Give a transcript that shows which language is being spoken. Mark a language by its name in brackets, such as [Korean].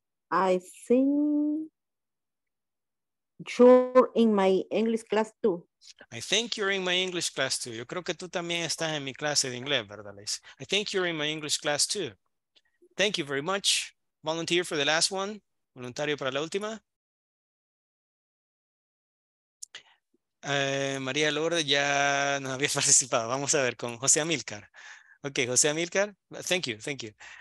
[English] I think you're in my English class too. I think you're in my English class too. [Spanish] Yo creo que tú también estás en mi clase de inglés, ¿verdad, Liz? [English] I think you're in my English class too. Thank you very much. Volunteer for the last one. [Spanish] Voluntario para la última. María Lourdes ya no había participado. Vamos a ver con José Amílcar. Ok, José Amílcar. [English] Thank you, thank you.